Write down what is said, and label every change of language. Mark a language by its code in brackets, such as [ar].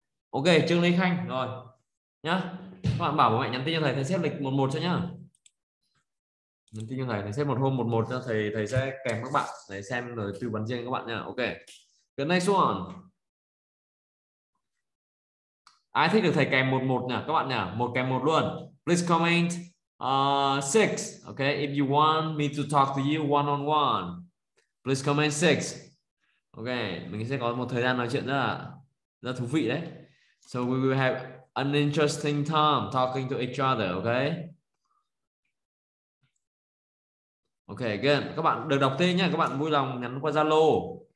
[vi] Ok, Trương Lê Khanh rồi. Nhá. Các bạn bảo bố mẹ nhắn tin cho thầy, thầy xếp lịch 1-1 cho nhá. Nhắn tin cho thầy, thầy xếp một hôm 1-1 cho thầy, thầy sẽ kèm các bạn để xem rồi tư vấn riêng các bạn nhá. Ok. [en] The next one. [vi] Ai thích được thầy kèm 1-1 nhỉ các bạn nhỉ? Một kèm 1 luôn. [en] Please comment 6, okay? If you want me to talk to you one on one. Please comment 6. [vi] Ok, mình sẽ có một thời gian nói chuyện rất là thú vị đấy. [en] So we will have an interesting time talking to each other, ok? [vi] Ok, again, các bạn được đọc tên nhé. Các bạn vui lòng nhắn qua Zalo.